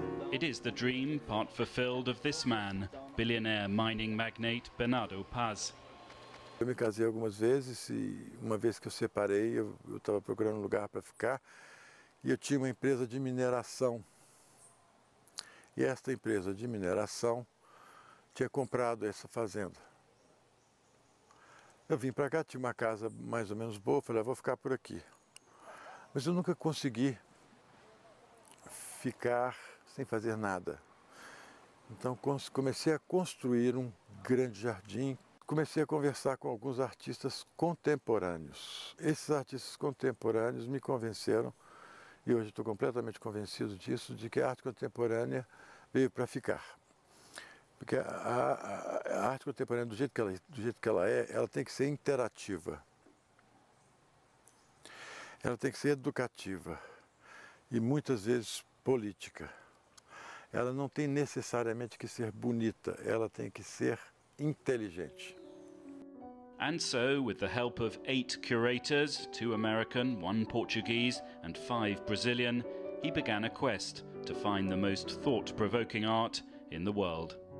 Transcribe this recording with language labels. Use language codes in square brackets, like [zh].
[en] It is the dream, part fulfilled, of this man, billionaire mining magnate Bernardo Paz. [pt] Eu me casei algumas vezes e uma vez que eu separei, eu estava procurando um lugar para ficar e eu tinha uma empresa de mineração. E esta empresa de mineração tinha comprado essa fazenda. Eu vim para cá, tinha uma casa mais ou menos boa, falei, ah, vou ficar por aqui. Mas eu nunca consegui ficar sem fazer nada. Então comecei a construir um grande jardim. Comecei a conversar com alguns artistas contemporâneos. Esses artistas contemporâneos me convenceram, e hoje estou completamente convencido disso, de que a arte contemporânea veio para ficar. Porque a arte contemporânea, do jeito que ela é, ela tem que ser interativa. Ela tem que ser educativa. E muitas vezes política. Ela não tem necessariamente que ser bonita, ela tem que ser inteligente. [en] And so, with the help of 8 curators, 2 American, 1 Portuguese, and 5 Brazilian, he began a quest to find the most thought-provoking art in the world.